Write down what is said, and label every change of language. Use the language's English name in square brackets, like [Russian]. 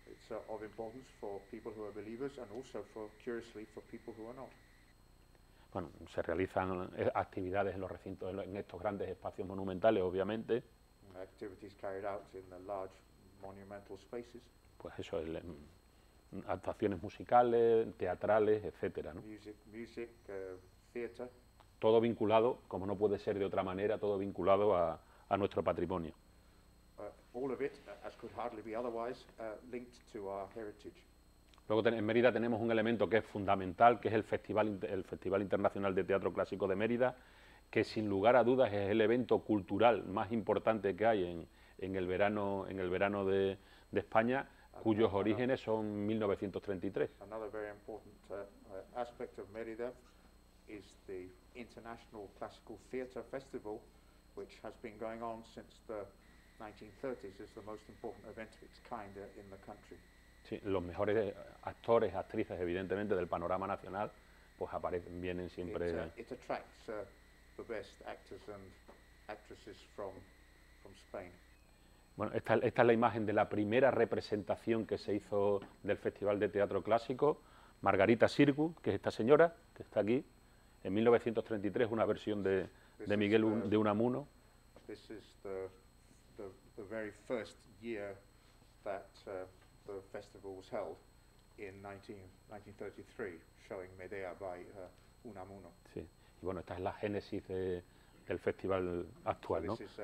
[English] It's of importance for people who are believers and also for, curiously, for people who are not. [Spanish] Bueno, se realizan actividades en los recintos, en estos grandes espacios monumentales, obviamente. [English] Activities carried out in the large monumental spaces. [Spanish] Pues eso, actuaciones musicales, teatrales, etcétera, ¿no? [English] Music, theater. [Spanish] Todo vinculado, como no puede ser de otra manera, todo vinculado a nuestro patrimonio. [English] All of it, as could hardly be otherwise, linked to our heritage. [Spanish] Luego en Mérida tenemos un elemento que es fundamental, que es el Festival Internacional de Teatro Clásico de Mérida, que sin lugar a dudas es el evento cultural más importante que hay en el verano de España, cuyos orígenes son 1933. [English] Another very important aspect of Mérida is the International Classical Theatre Festival, which has been going on since the 1930s, is the most important event of its kind in the country. [Spanish] Sí, los mejores actores, actrices, evidentemente, del panorama nacional, pues aparecen, vienen siempre. [English] It attracts the best actors and actresses from Spain. [Spanish] Bueno, esta es la imagen de la primera representación que se hizo del Festival de Teatro Clásico, Margarita Sirgu, que es esta señora, que está aquí, en 1933, una versión de Miguel de Unamuno. [English] This is the very first year that the festival was held, in 1933, showing Medea by Unamuno. [Spanish] Sí, y bueno, esta es la génesis de... el festival actual, ¿no?